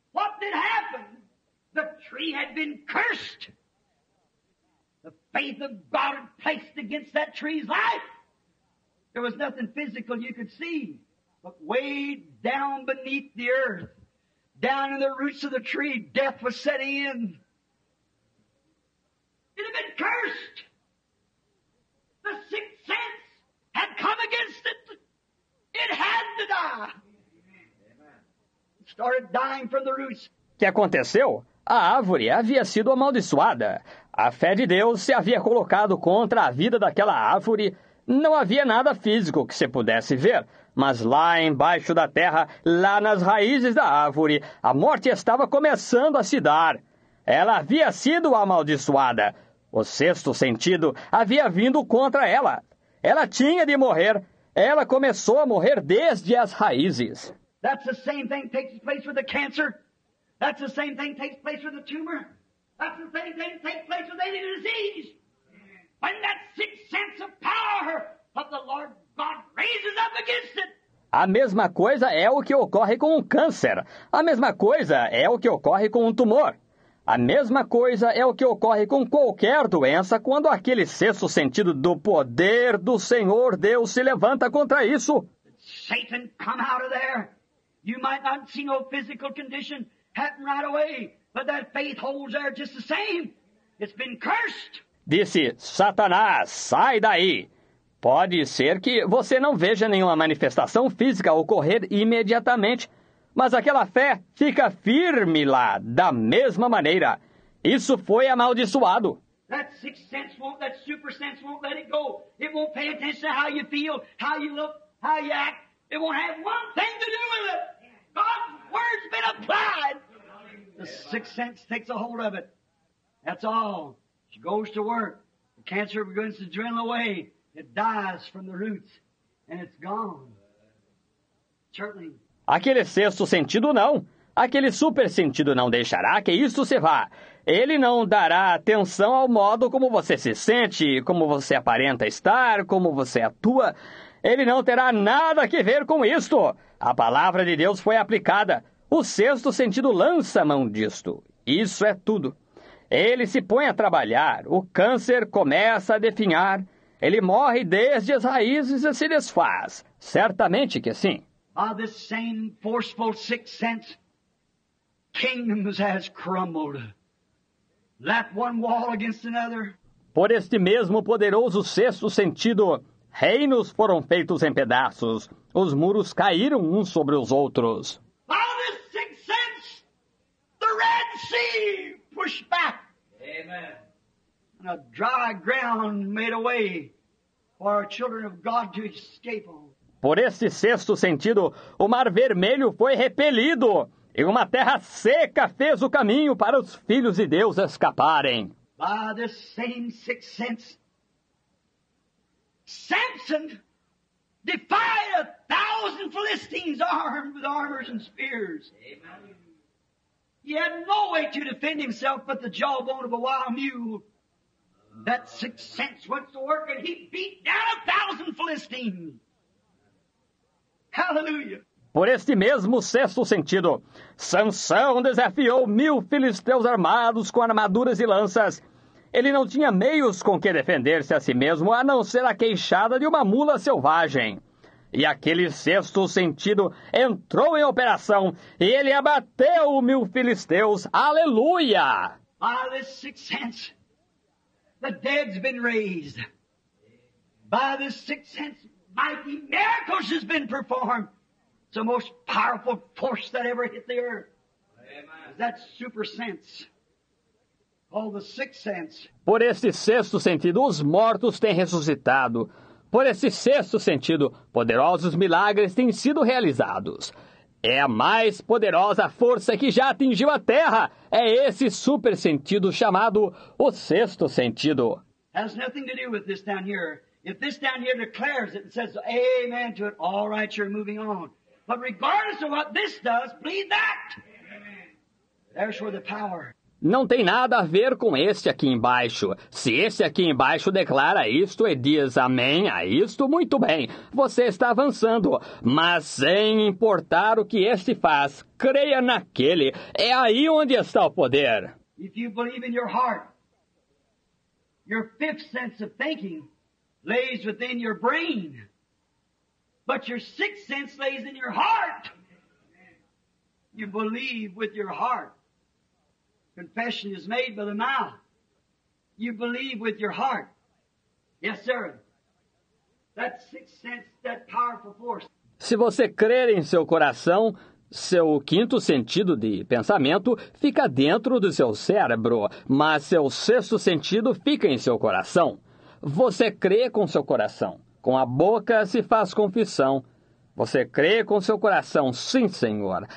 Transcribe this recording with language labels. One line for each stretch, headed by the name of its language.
English: What did happen? The tree had been cursed. The faith of God placed against that tree's life. There was nothing physical you could see, but way down beneath the earth, down in the roots of the tree, death was setting in. It had been cursed. The sixth sense had come against it. It had to die. Started dying from the roots.
Portuguese: Que aconteceu? A árvore havia sido amaldiçoada. A fé de Deus se havia colocado contra a vida daquela árvore. Não havia nada físico que se pudesse ver. Mas lá embaixo da terra, lá nas raízes da árvore, a morte estava começando a se dar. Ela havia sido amaldiçoada. O sexto sentido havia vindo contra ela. Ela tinha de morrer. Ela começou a morrer desde as raízes.
English: That's the same thing takes place with the cancer. That's the same thing takes place with the tumor. That's the same thing takes place with any disease. When that sixth sense of power of the Lord God raises up against it.
Portuguese: A mesma coisa é o que ocorre com o câncer. A mesma coisa é o que ocorre com um tumor. A mesma coisa é o que ocorre com qualquer doença quando aquele sexto sentido do poder do Senhor Deus se levanta contra isso.
English: Satan, come out of there. You might not see no physical condition happen right away, but that faith holds there just the same. It's been cursed.
Portuguese: Disse, Satanás, sai daí. Pode ser que você não veja nenhuma manifestação física ocorrer imediatamente, mas aquela fé fica firme lá, da mesma maneira. Isso foi amaldiçoado.
English: That sixth sense won't, that super sense won't let it go. It won't pay attention to how you feel, how you look, how you act. It won't have one thing to do with it. God's word's been applied. The sixth sense takes a hold of it. That's all. She goes to work. The cancer begins to drain away. It dies from the roots. And it's gone. Certainly.
Portuguese: Aquele sexto sentido não. Aquele super sentido não deixará que isso se vá. Ele não dará atenção ao modo como você se sente, como você aparenta estar, como você atua. Ele não terá nada que ver com isto. A palavra de Deus foi aplicada. O sexto sentido lança a mão disto. Isso é tudo. Ele se põe a trabalhar. O câncer começa a definhar. Ele morre desde as raízes e se desfaz. Certamente que sim.
English: Ah, this same forceful sixth sense, kingdoms has crumbled. Left one wall against another.
Portuguese: Por este mesmo poderoso sexto sentido, reinos foram feitos em pedaços. Os muros caíram uns sobre os outros.
English: Ah, this sixth sense, the Red Sea pushed back. Amen. And a dry ground made a way for our children of God to escape on.
Portuguese: Por este sexto sentido, o Mar Vermelho foi repelido, e uma terra seca fez o caminho para os filhos de Deus escaparem.
English: By the same sixth sense, Samson defied 1,000 Philistines armed with armors and spears. Amen. He had no way to defend himself but the jawbone of a wild mule. That sixth sense went to work, and he beat down 1,000 Philistines.
Portuguese: Por este mesmo sexto sentido, Sansão desafiou 1,000 filisteus armados com armaduras e lanças. Ele não tinha meios com que defender-se a si mesmo, a não ser a queixada de uma mula selvagem. E aquele sexto sentido entrou em operação, e ele abateu 1,000 filisteus. Aleluia!
English: By this sixth sense, the dead's been raised. By this sixth sense, mighty miracles has been performed. It's the most powerful force that ever hit the earth. Amen. That super sense. All the sixth sense.
Portuguese: Por este sexto sentido, os mortos têm ressuscitado. Por este sexto sentido, poderosos milagres têm sido realizados. É a mais poderosa força que já atingiu a Terra. É esse super sentido chamado o sexto sentido.
English: Has nothing to do with this down here. If this down here declares it and says amen to it, all right, you're moving on. But regardless of what this does, believe that. Amen. There's where the power.
Portuguese: Não tem nada a ver com este aqui embaixo. Se este aqui embaixo declara isto e diz amém a isto, muito bem. Você está avançando, mas sem importar o que este faz, creia naquele. É aí onde está o poder.
English: If you believe in your heart, your fifth sense of thinking lays within your brain, but your sixth sense lays in your heart. You believe with your heart. Confession is made by the mouth. You believe with your heart. Yes, sir. That sixth sense, that powerful force.
Portuguese: Se você crer em seu coração, seu quinto sentido de pensamento fica dentro do seu cérebro, mas seu sexto sentido fica em seu coração. Você crê com seu coração. Com a boca se faz confissão. Você crê com seu coração, sim, Senhor.